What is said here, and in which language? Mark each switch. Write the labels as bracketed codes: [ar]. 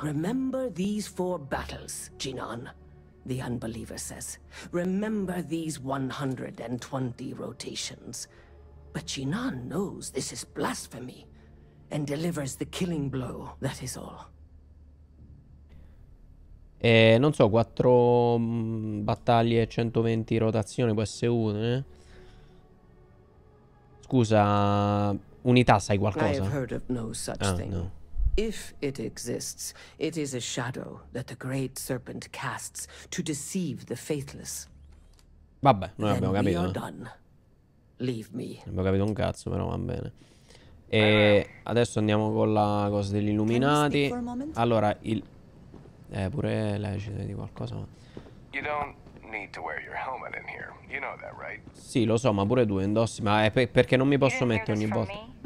[en] Remember these 4 battles, Jinan, the unbeliever says. Remember these 120 rotations. But Jinan knows this is blasphemy and delivers the killing blow, that is all. [it] Non so, 4 battaglie e 120 rotazioni, può essere una, eh? Scusa. Unità, sai qualcosa? [en] I have heard of no such thing. No. If it exists, it is a shadow that the great serpent casts to deceive the faithless. [it] Vabbè, noi then abbiamo capito. [en] We are done. Leave me. [it] Abbiamo capito un cazzo, però va bene. E adesso andiamo con la cosa degli Illuminati. Allora, il pure lei ci deve dire qualcosa. Ma [en] you don't need to wear your helmet in here. You know that, right? [it] Sì, lo so, ma pure tu indossi, ma è perché non mi posso mettere ogni volta.